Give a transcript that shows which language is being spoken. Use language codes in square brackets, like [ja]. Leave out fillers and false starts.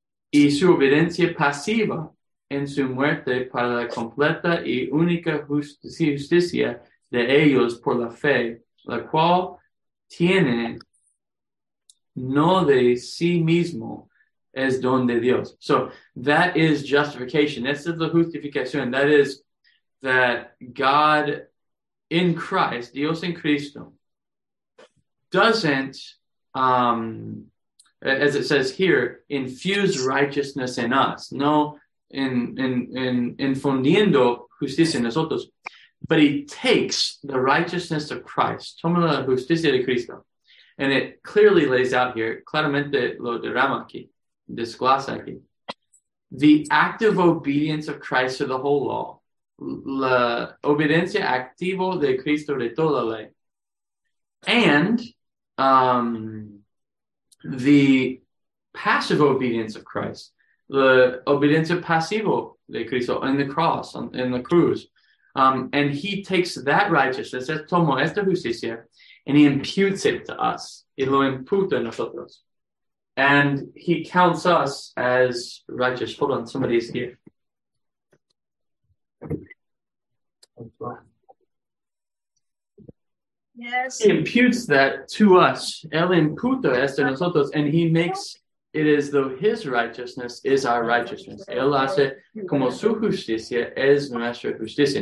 [es] y su obediencia pasiva en su muerte para la completa y única justicia de ellos por la fe, la cual tiene no de sí mismo, es don de Dios. [en] So that is justification. This is the justification. That is that God in Christ, [es] Dios en Cristo, [en] doesn't, as it says here, infuse righteousness in us. [es] No, infundiendo justicia en nosotros. [en] But he takes the righteousness of Christ. [es] Toma la justicia de Cristo. [en] And it clearly lays out here, [es] claramente lo derrama aquí. Desglosa aquí. [en] The active obedience of Christ to the whole law. [es] La obediencia activa de Cristo de toda la ley. [en] And the passive obedience of Christ. [es] La obediencia pasiva de Cristo en [en] the cross, in the [es] cruz. [en] And he takes that righteousness, [es] tomo esta justicia, [en] and he imputes it to us. [es] Y lo imputa a nosotros. [en] And he counts us as righteous. Hold on, somebody's here. Yes. He imputes that to us. [es] El imputa esto a nosotros. [en] And he makes It is though his righteousness is our righteousness. [es] Él hace como su justicia es nuestra justicia.